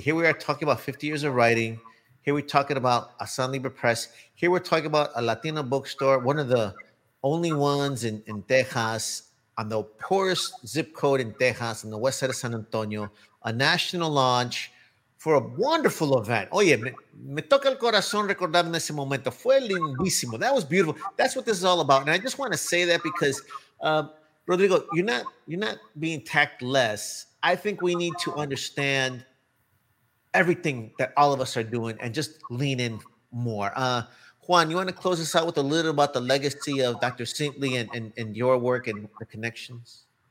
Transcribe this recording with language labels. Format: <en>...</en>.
<en>Here we are talking about 50 years of writing. Here we're talking about Aztlan Libre Press. Here we're talking about a Latino Bookstore, one of the only ones in Texas, on the poorest zip code in Texas, on the west side of San Antonio, a national launch for a wonderful event.</en> <es>Oye, me toca el corazón recordar en ese momento. Fue lindísimo.</es> <en>That was beautiful. That's what this is all about. And I just want to say that because, Rodrigo, you're not being tactless. I think we need to understand everything that all of us are doing and just lean in more. Juan, you want to close us out with a little about the legacy of Dr. Cintli and your work and the connections?</en>